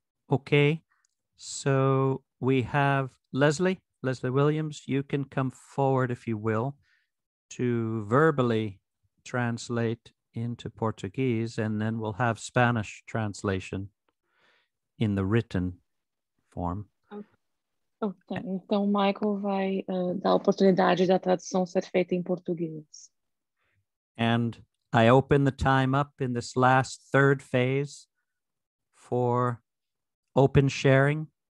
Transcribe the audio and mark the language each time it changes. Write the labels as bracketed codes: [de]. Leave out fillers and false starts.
[en] Okay, so we have Leslie Williams. You can come forward, if you will, to verbally translate into Portuguese, and then we'll have Spanish translation in the written form. [pt] Okay, então Michael vai dar a oportunidade da tradução ser feita em português. [en] And I open the time up in this last third phase for open sharing.